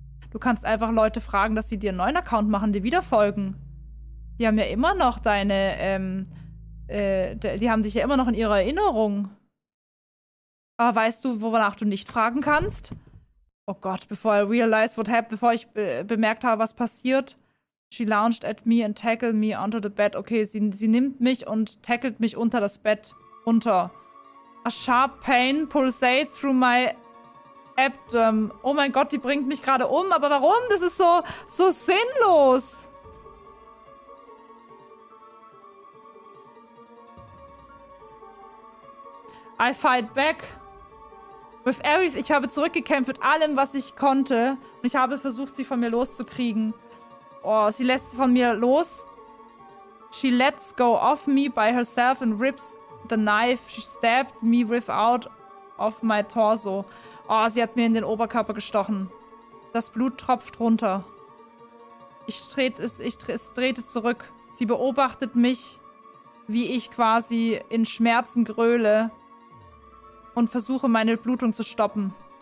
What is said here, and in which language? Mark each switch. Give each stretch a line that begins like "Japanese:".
German: Du kannst einfach Leute fragen, dass sie dir einen neuen Account machen, dir wieder folgen. Die haben ja immer noch deine, die haben dich ja immer noch in ihrer Erinnerung. Aber weißt du, wonach du nicht fragen kannst? Oh Gott, bevor
English: I realized what happened,
German: bevor ich bemerkt habe, was passiert.
English: She lounged at me and tackled me under the bed.
German: Okay, sie nimmt mich und tackelt mich unter das Bett. Runter.
English: A sharp pain pulsates through my abdomen.
German: Oh mein Gott, die bringt mich gerade um. Aber warum? Das ist so sinnlos.
English: I fight back with everything.
German: Ich habe zurückgekämpft mit allem, was ich konnte. Und ich habe versucht, sie von mir loszukriegen. Oh, sie lässt von mir los.
English: She lets go of me by herself and rips the knife she stabbed me with out of my torso.
German: Oh, sie hat mir in den Oberkörper gestochen. Das Blut tropft runter. Ich trete zurück. Sie beobachtet mich, wie ich quasi in Schmerzen gröle und versuche, meine Blutung zu stoppen.